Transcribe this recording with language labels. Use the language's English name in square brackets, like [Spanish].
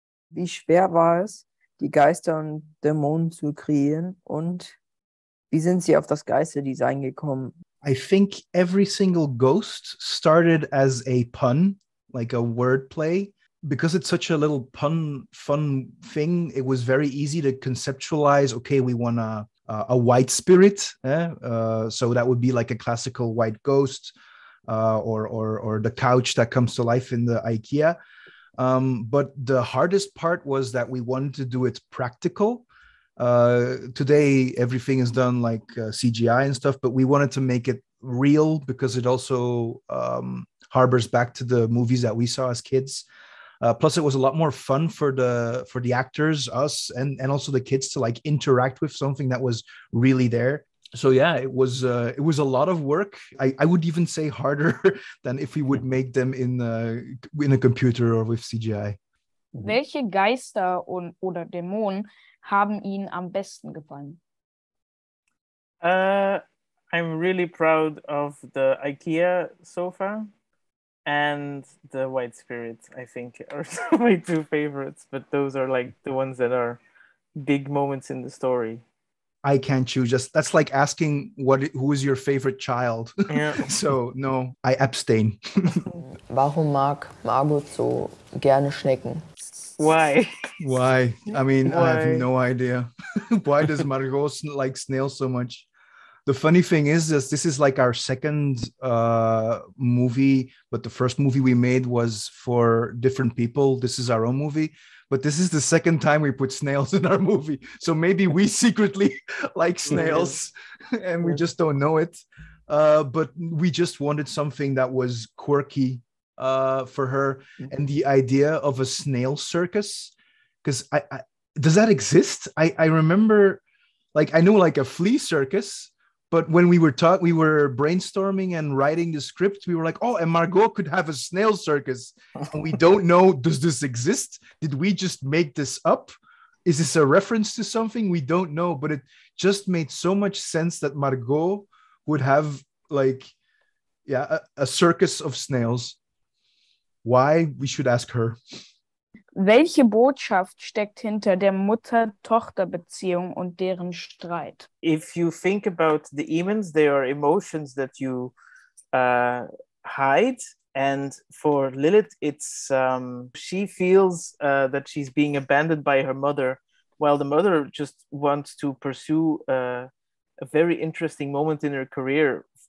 [German] Wie schwer war es, die Geister und Dämonen zu kreieren? Und wie sind sie auf das Geisterdesign gekommen? [English] I think every single ghost started as a pun, like a wordplay. Because it's such a little pun, fun thing, it was very easy to conceptualize, okay, we want a white spirit. Eh? So that would be like a classical white ghost or the couch that comes to life in the IKEA. But the hardest part was that we wanted to do it practical. Today, everything is done like CGI and stuff, but we wanted to make it real because it also harbors back to the movies that we saw as kids. Plus, it was a lot more fun for the actors, us, and also the kids to like interact with something that was really there. So yeah, it was a lot of work. I would even say harder than if we would make them in a computer or with CGI. [German] Welche Geister und oder Dämonen haben Ihnen am besten gefallen? [English] I'm really proud of the IKEA sofa. And the white spirits, I think, are my two favorites. But those are like the ones that are big moments in the story. I can't choose. Just that's like asking who is your favorite child. Yeah. So no, I abstain. [German] Warum mag Margot so gerne Schnecken? [English] Why? Why? I mean, why? I have no idea. Why does Margot like snails so much? The funny thing is, this is like our second movie, but the first movie we made was for different people. This is our own movie, but this is the second time we put snails in our movie. So maybe we secretly like snails and we just don't know it. But we just wanted something that was quirky for her. Mm-hmm. And the idea of a snail circus, because I does that exist? I remember, like, I know like a flea circus. But when we were brainstorming and writing the script, we were like, oh, and Margot could have a snail circus. And we don't know, does this exist? Did we just make this up? Is this a reference to something? We don't know. But it just made so much sense that Margot would have like, yeah, a circus of snails. Why? We should ask her. [German] Welche Botschaft steckt hinter der Mutter-Tochter-Beziehung und deren Streit? [English] If you think about the demons, they are emotions that you hide. And for Lilith, it's she feels that she's being abandoned by her mother, while the mother just wants to pursue a very interesting moment in her career.